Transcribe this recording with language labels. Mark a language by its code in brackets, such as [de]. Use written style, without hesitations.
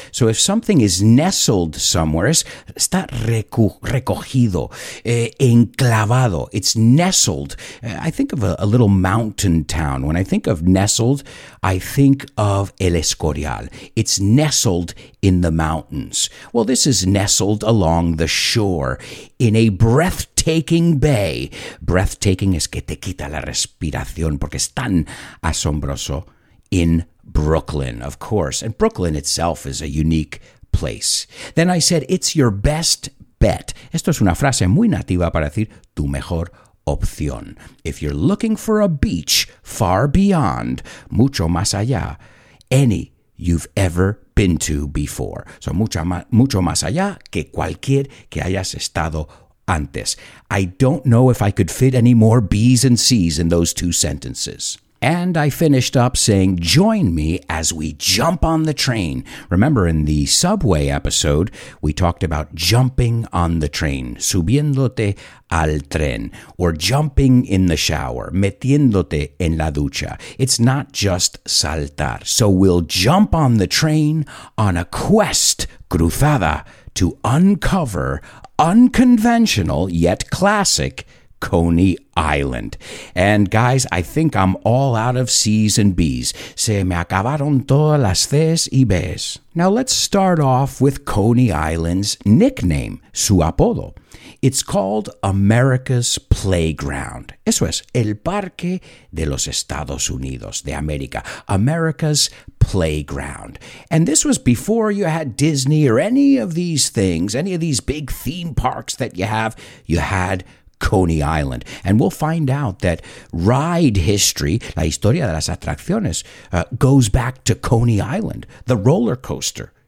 [en] So if something is nestled somewhere, [es] está recogido, enclavado, [en] it's nestled. I think of a little mountain town. When I think of nestled, I think of El Escorial. It's nestled in the mountains. Well, this is nestled along the shore in a breathtaking bay. [es] Breathtaking es que te quita la respiración porque es tan asombroso. [en] In Brooklyn, of course. And Brooklyn itself is a unique place. Then I said, it's your best bet. [es] Esto es una frase muy nativa para decir tu mejor opción. [en] If you're looking for a beach far beyond, [es] mucho más allá, [en] any you've ever been to before. [es] So mucho más allá que cualquier que hayas estado antes. [en] I don't know if I could fit any more B's and C's in those two sentences. And I finished up saying, join me as we jump on the train. Remember in the subway episode, we talked about jumping on the train, [es] subiéndote al tren, [en] or jumping in the shower, [es] metiéndote en la ducha. [en] It's not just saltar. So we'll jump on the train on a quest, cruzada, to uncover unconventional yet classic Coney Island. And guys, I think I'm all out of C's and B's. [es] Se me acabaron todas las C's y B's. [en] Now let's start off with Coney Island's nickname, [es] su apodo. [en] It's called America's Playground. [es] Eso es, el parque de los Estados Unidos, de América. [en] America's Playground. And this was before you had Disney or any of these things, any of these big theme parks that you have. You had Coney Island. And we'll find out that ride history, [es] la historia de las atracciones, [en] goes back to Coney Island, the roller coaster.